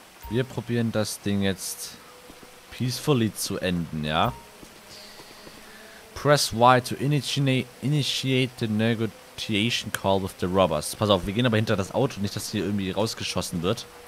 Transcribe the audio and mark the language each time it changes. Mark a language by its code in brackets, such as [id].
[de] Wir probieren das Ding jetzt peacefully zu enden, ja? [en] Press Y to initiate the negotiation call with the robbers. [de] Pass auf, wir gehen aber hinter das Auto, nicht, dass hier irgendwie rausgeschossen wird.